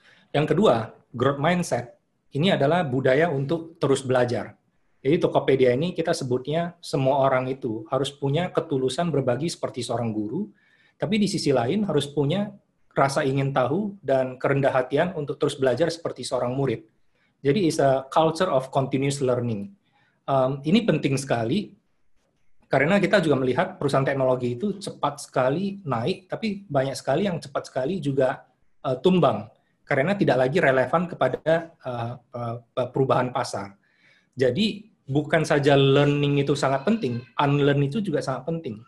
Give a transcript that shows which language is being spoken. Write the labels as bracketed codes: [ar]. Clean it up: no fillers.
[id] Yang kedua, growth mindset. Ini adalah budaya untuk terus belajar. Jadi Tokopedia ini kita sebutnya semua orang itu harus punya ketulusan berbagi seperti seorang guru, tapi di sisi lain harus punya rasa ingin tahu dan kerendah hatian untuk terus belajar seperti seorang murid. [en] Jadi it's a culture of continuous learning. [id] Ini penting sekali, karena kita juga melihat perusahaan teknologi itu cepat sekali naik, tapi banyak sekali yang cepat sekali juga tumbang, karena tidak lagi relevan kepada perubahan pasar. Jadi bukan saja learning itu sangat penting, unlearn itu juga sangat penting.